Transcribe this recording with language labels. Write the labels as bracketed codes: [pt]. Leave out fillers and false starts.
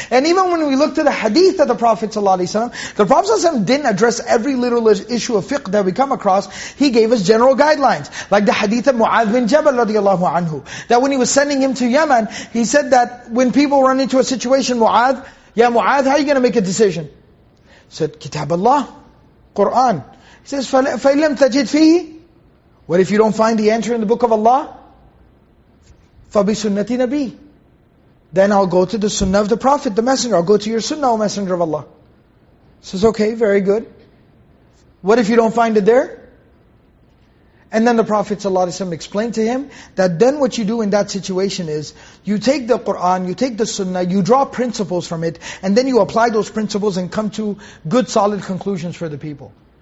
[en] And even when we look to the hadith of the Prophet ﷺ, the Prophet ﷺ didn't address every little issue of fiqh that we come across. He gave us general guidelines. Like the hadith of Mu'adh bin Jabal radiallahu anhu. That when he was sending him to Yemen, he said that when people run into a situation, Mu'adh, ya Mu'adh, how are you going to make a decision? He said, Kitab Allah, Qur'an. He says, [ar] فَإِلَّمْ تَجِدْ فِيهِ. [en] What if you don't find the answer in the book of Allah? [ar] فَبِسُنَّةِ نَبِي. [en] Then I'll go to the sunnah of the Prophet, the Messenger. I'll go to your sunnah, O Messenger of Allah. He says, okay, very good. What if you don't find it there? And then the Prophet ﷺ explained to him that then what you do in that situation is, you take the Qur'an, you take the sunnah, you draw principles from it, and then you apply those principles and come to good solid conclusions for the people.